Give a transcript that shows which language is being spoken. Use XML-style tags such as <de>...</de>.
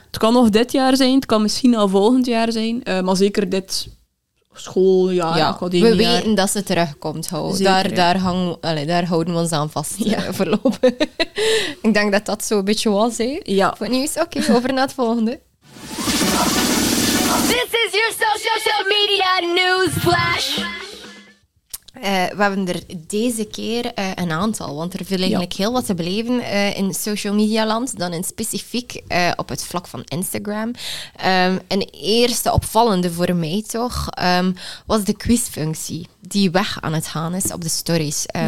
<nl>Het kan nog dit jaar zijn. Het kan misschien al volgend jaar zijn. Maar zeker dit... schooljaar. Ja, weten dat ze terugkomt. Daar houden we ons aan vast voorlopig. Ik denk dat dat zo een beetje was. Hè? Ja. Voor nieuws? Oké, over naar het volgende.</nl> <en>This is your social media news flash.</en> <nl>We hebben er deze keer een aantal, want er viel eigenlijk heel wat te beleven in social media land, dan in specifiek op het vlak van Instagram. Een eerste opvallende voor mij toch, was de quizfunctie die weg aan het gaan is op de stories.</nl>